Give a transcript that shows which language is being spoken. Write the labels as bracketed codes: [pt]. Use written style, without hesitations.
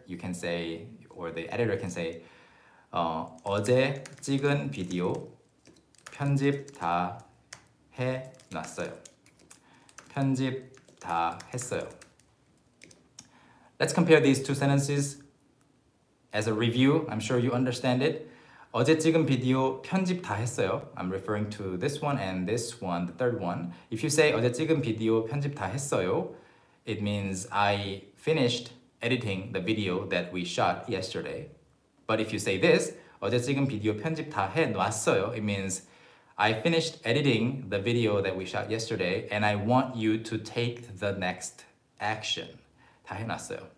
[en] You can say, or the editor can say, [ko] 어제 찍은 비디오 편집 다 해 놨어요. 편집 다 했어요. [en] Let's compare these two sentences as a review. I'm sure you understand it. [ko] 어제 찍은 비디오 편집 다 했어요. [en] I'm referring to this one and this one, the third one. If you say [ko] 어제 찍은 비디오 편집 다 했어요, [en] it means I finished editing the video that we shot yesterday. But if you say this, [ko] 어제 찍은 비디오 편집 다 해 놨어요, [en] it means I finished editing the video that we shot yesterday and I want you to take the next action. [ko] 다 해놨어요.